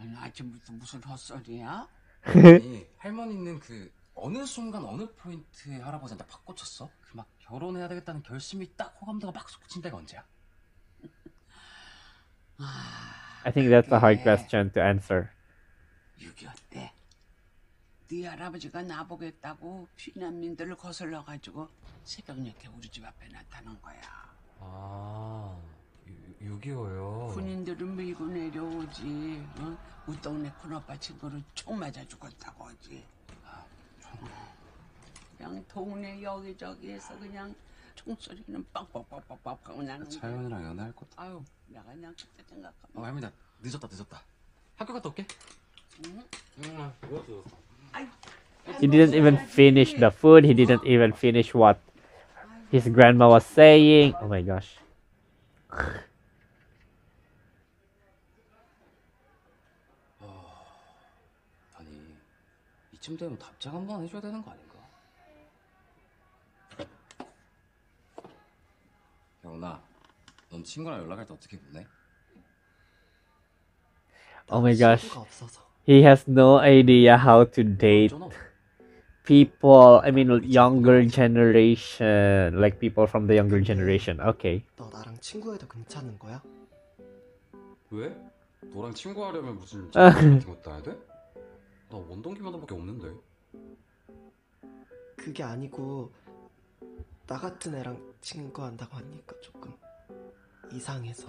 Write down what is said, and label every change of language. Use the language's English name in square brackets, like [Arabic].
[English] think that's a hard question to answer. [Korean] 6.25때 네 할아버지가 나보겠다고 피난민들을 거슬러 가지고 새벽녘에 우리 집 앞에 나타난 거야. 아, 6.25요. 군인들은 밀고 내려오지. 응? 우리 동네 큰 오빠 친구를 총 맞아 죽었다고 하지. 그냥 동네 여기저기에서 그냥 총소리는 빵빵빵빵빵 나는데. 차연이랑 연애할 것도. 아유, 내가 그냥 그때 생각하면. 어, 혜민아, 늦었다, 늦었다. 학교 갔다 올게. 응? 응, 뭐였어? 아이. [English] He didn't even finish the food. He didn't even finish what his grandma was saying. Oh my gosh. Oh. [Korean] 아니 이쯤 되면 답장 한번 해줘야 되는 거 아닌가? 영훈아, 넌 친구랑 연락할 때 어떻게 보내? [English] Oh my gosh. He has no idea how to date. People, I mean, younger generation, like people from the younger generation. Okay. [Korean] 너 나랑 친구해도 괜찮은 거야? 왜? 너랑 친구하려면 무슨 친구 같은 것도 해야 돼? 나 원동기만한밖에 없는데. 그게 아니고 나 같은 애랑 친구한다고 하니까 조금 이상해서.